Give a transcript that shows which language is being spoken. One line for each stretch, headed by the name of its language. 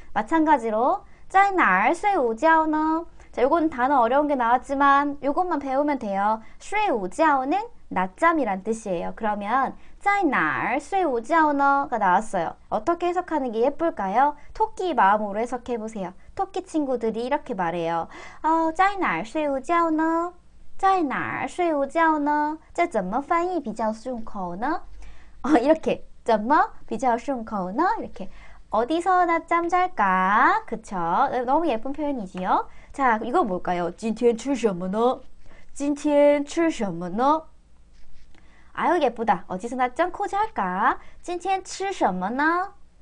Korean: 마찬가지로
Chinese: 짜이 날 쇠 우지아오 너.
Korean: 자, 요건 단어 어려운 게 나왔지만 요것만 배우면 돼요. 쇠 우지아오는 낮잠이란 뜻이에요. 그러면
Chinese: 짜이 날 쇠 우지아오너가
Korean: 나왔어요. 어떻게 해석하는 게 예쁠까요? 토끼 마음으로 해석해 보세요. 토끼 친구들이 이렇게 말해요.
Chinese: 어, 在哪儿睡午觉呢? 在哪儿睡午觉呢? 这怎么翻译比较顺口呢?
Korean: 어, 이렇게
Chinese: 怎么比较顺口呢?
Korean: 이렇게 어디서 낮잠 잘까? 그쵸? 너무 예쁜 표현이지요? 자, 이거 뭘까요?
Chinese: 今天吃什么呢?今天吃什么呢?
Korean: 아유, 예쁘다. 어디서 낮잠 코자 할까?
Chinese: 今天吃什么呢?